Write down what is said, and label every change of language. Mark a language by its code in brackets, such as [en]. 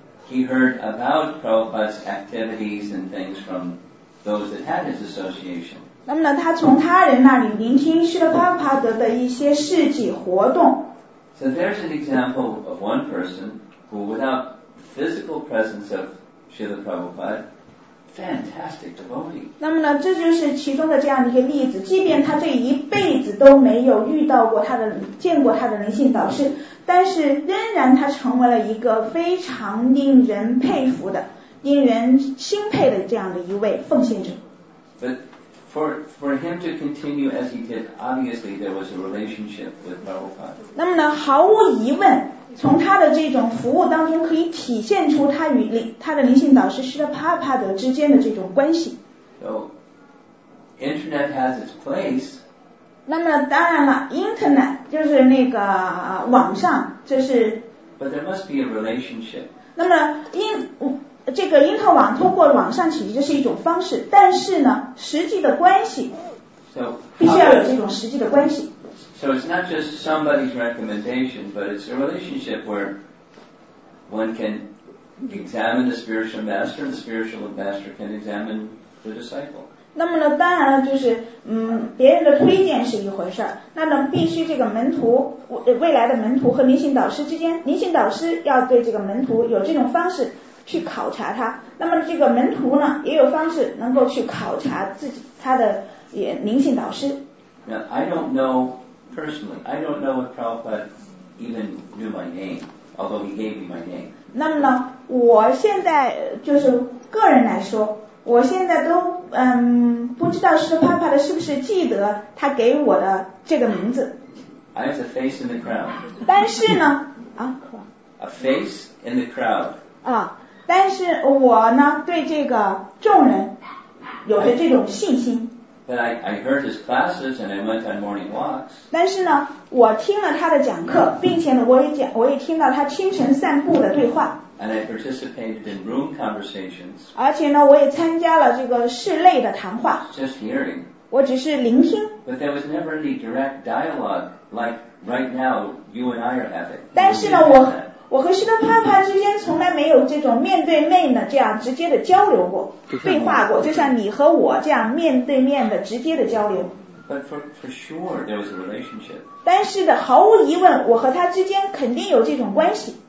[en] He heard about Prabhupada's activities and things from those that had his association。 [zh] 那么呢，他从他人那里聆听施特帕帕德的一些事迹活动。 [en] So there's an example of one person who, without physical presence of Srila Prabhupada, fantastic devotee. [zh] 那么呢，这就是其中的这样一个例子。即便他这一辈子都没有遇到过他的、见过他的灵性导师，但是仍然他成为了一个非常令人佩服的、令人钦佩的这样的一位奉献者。 [en] For him to continue as he did, obviously there was a relationship with Prabhupada. [zh] 那么呢，毫无疑问，从他的这种服务当中可以体现出他与他的灵性导师Srila Prabhupada之间的这种关系。 [en] So, internet has its place. [zh] 那么当然了 ，internet 就是那个网上，就是。 [en] But there must be a relationship. [zh] 那么这个因特网通过网上起义这是一种方式但是呢实际的关系必须要有这种实际的关系 [en] so it's not just somebody's recommendation but it's a relationship where one can examine the spiritual master and the spiritual master can examine the disciple [zh] 那么呢当然了就是别人的推荐是一回事那么必须这个门徒未来的门徒和灵性导师之间灵性导师要对这个门徒有这种方式去考察他，那么这个门徒呢，也有方式能够去考察自己他的灵性导师。 [en] Now, I don't know personally. I don't know if Prabhupada even knew my name, although he gave me my name. [zh] 那么呢，我现在就是个人来说，我现在都不知道是帕帕的是不是记得他给我的这个名字。 [en] I have a face in the crowd. [zh] 但是呢， [en] A face in the crowd. [zh] 啊。但是我呢，对这个众人有着这种信心。 [en] But I heard his classes and I went on morning walks. [zh] 但是呢，我听了他的讲课，并且呢，我也听到他清晨散步的对话。 [en] And I participated in room conversations. [zh] 而且呢，我也参加了这个室内的谈话。 [en] Just hearing. [zh] 我只是聆听。 [en] But there was never any direct dialogue like right now you and I are having. [zh] 但是呢，我和施特帕帕之间从来没有这种面对面的这样直接的交流过，对话过，就像你和我这样面对面的直接的交流。 [en] But for sure there was a relationship. [zh] 但是的毫无疑问，我和他之间肯定有这种关系。